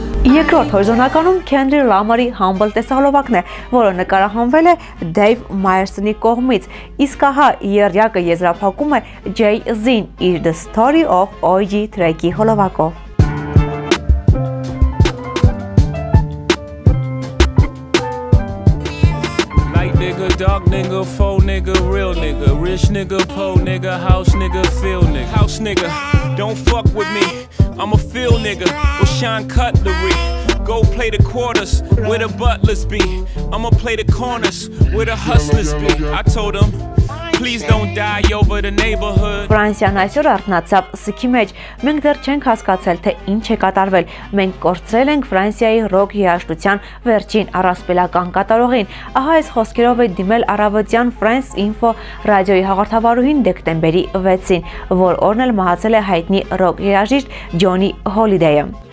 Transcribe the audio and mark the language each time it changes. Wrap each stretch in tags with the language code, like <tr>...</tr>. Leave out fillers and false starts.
<hy>Երկրորդ հորիզոնականում Kendrick Lamar-ի Humble տեսահոլովակն է, որը նկարահանվել է Dave Meyers-ի կողմից, իսկ ահա երյակը եզրափակում է Jay-Z-ն իր The Story of OG track-ի հոլովակով։</hy> <en>Dog nigga, faux nigga, real nigga, rich nigga, poor nigga, house nigga, feel nigga. House nigga, don't fuck with me, I'm a feel nigga, with Sean Cutlery. Go play the quarters, where the butlers be. I'ma play the corners, where the hustlers be. I told them, please don't die over the neighborhood.</en> <hy>Ֆրանսիան այսօր արթնացավ սկի մեջ, մենք դեռ չենք հասկացել, թե ինչ է կատարվել, մենք կորցրել ենք Ֆրանսիայի ռոք երաժշտության վերջին առասպելական կատարողին, ահա այս խոսքերով է դիմել Արավոցյան France Info ռադիոյի հաղորդավարուհին դեկտեմբերի 6-ին, որ օրն էլ մահացել է հայտնի ռոք երաժիշտ Johnny Holiday-ը։</hy>